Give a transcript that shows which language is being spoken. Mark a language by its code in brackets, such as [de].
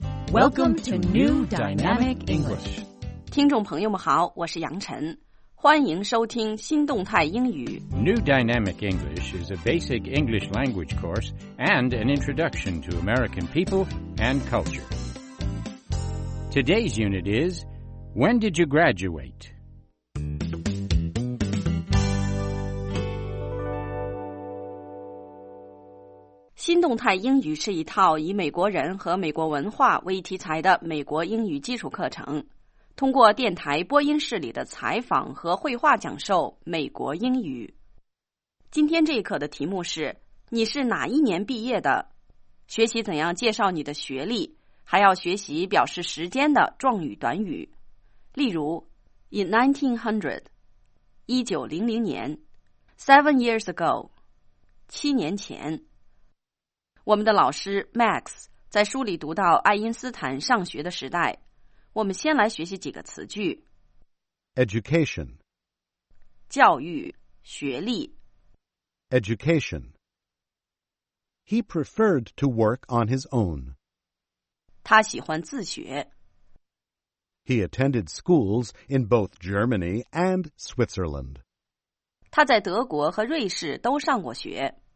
[en] Welcome to New Dynamic English. [zh] 听众朋友们好，我是杨晨，欢迎收听新动态英语。 [en] New Dynamic English is a basic English language course and an introduction to American people and culture. Today's unit is, When did you graduate? [zh] 新动态英语是一套以美国人和美国文化为题材的美国英语基础课程，通过电台播音室里的采访和绘画讲授美国英语。今天这一课的题目是，你是哪一年毕业的？学习怎样介绍你的学历，还要学习表示时间的状语短语。例如 [en] In 1900 [zh] 1900年 [en] 7 years ago [zh] 7年前。我们的老师 Max 在书里读到爱因斯坦上学的时代，我们先来学习几个词句。 [en] Education [zh] 教育学历 [en] Education He preferred to work on his own [zh] 他喜欢自学 [en] He attended schools in both Germany and Switzerland [zh] 他在德国和瑞士都上过学。